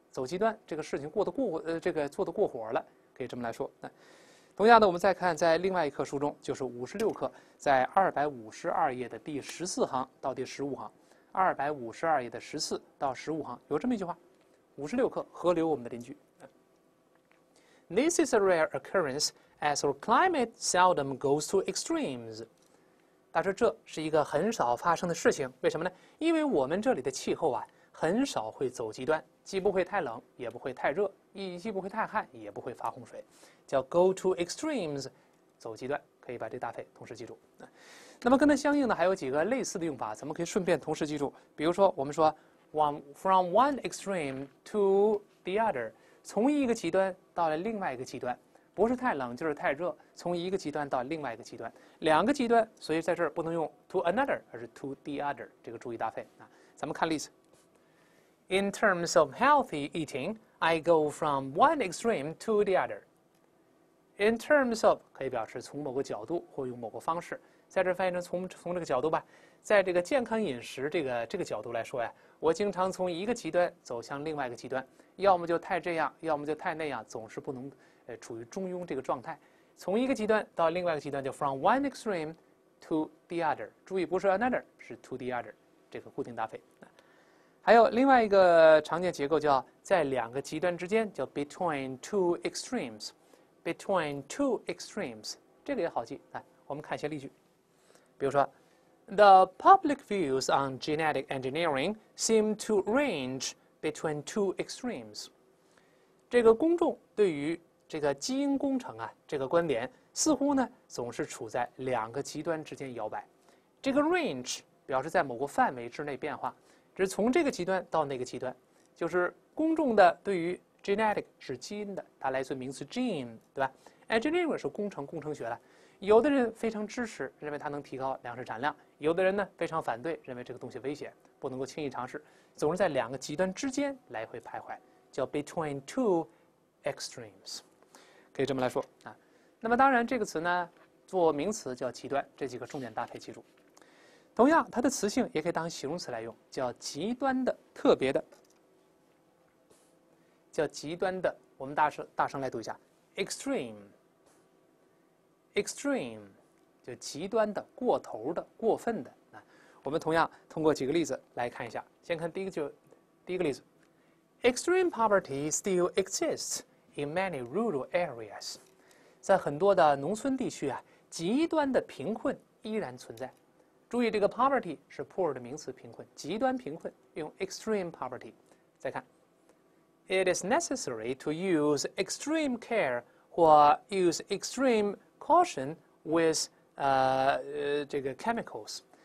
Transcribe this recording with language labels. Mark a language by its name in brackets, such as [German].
[Chinese] 走极端这个事情过得过这个做得过火了，可以这么来说。同样的，我们再看在另外一课书中，就是56课，在252页的第14行到第15行，252页的14到15行有这么一句话。 56课，河流我们的邻居。 [English] This is a rare occurrence as our climate seldom goes to extremes. [Chinese] 他说这是一个很少发生的事情，为什么呢？因为我们这里的气候啊，很少会走极端，既不会太冷，也不会太热，既不会太旱，也不会发洪水，叫 [English] go to extremes， [Chinese] 走极端，可以把这搭配同时记住。那么跟它相应的还有几个类似的用法，咱们可以顺便同时记住。比如说，我们说。 [English] From one extreme to the other， [Chinese] 从一个极端到了另外一个极端，不是太冷就是太热，从一个极端到另外一个极端，两个极端，所以在这儿不能用 [English] to another， [Chinese] 而是 [English] to the other， [Chinese] 这个注意搭配啊。咱们看例子。 [English] In terms of healthy eating， I go from one extreme to the other。 In terms of [Chinese] 可以表示从某个角度或用某个方式，在这翻译成从这个角度吧，在这个健康饮食这个角度来说呀，我经常从一个极端走向另外一个极端，要么就太这样，要么就太那样，总是不能处于中庸这个状态。从一个极端到另外一个极端，就 [English] from one extreme to the other， [Chinese] 注意不是 another， 是 [English] to the other， [Chinese] 这个固定搭配。还有另外一个常见结构叫在两个极端之间，叫 [English] between two extremes， [Chinese] between two extremes， 这个也好记。来，我们看一些例句。比如说 [English] The public views on genetic engineering seem to range between two extremes. [Chinese] 这个公众对于这个基因工程啊，这个观点似乎呢总是处在两个极端之间摇摆。这个 range 表示在某个范围之内变化，只是从这个极端到那个极端，就是公众的对于 genetic 是基因的，它来自名词 gene， 对吧？ engineering 是工程学了。有的人非常支持，认为它能提高粮食产量，有的人呢非常反对，认为这个东西危险，不能够轻易尝试，总是在两个极端之间来回徘徊，叫 between two extremes， 可以这么来说啊。那么当然这个词呢做名词叫极端，这几个重点搭配记住。同样它的词性也可以当形容词来用，叫极端的，特别的，叫极端的。我们大声来读一下 extremeextreme， 就极端的，过头的，过分的。我们同样通过几个例子来看一下。先看第一个例子 [English] ：Extreme poverty still exists in many rural areas。 [Chinese] 在很多的农村地区啊，极端的贫困依然存在。注意，这个 poverty 是 poor 的名词，贫困，极端贫困，用 [English] extreme poverty。 [Chinese] 再看 [English] ，It is necessary to use extreme care or use extreme caution with [Chinese] 这个 [English] chemicals。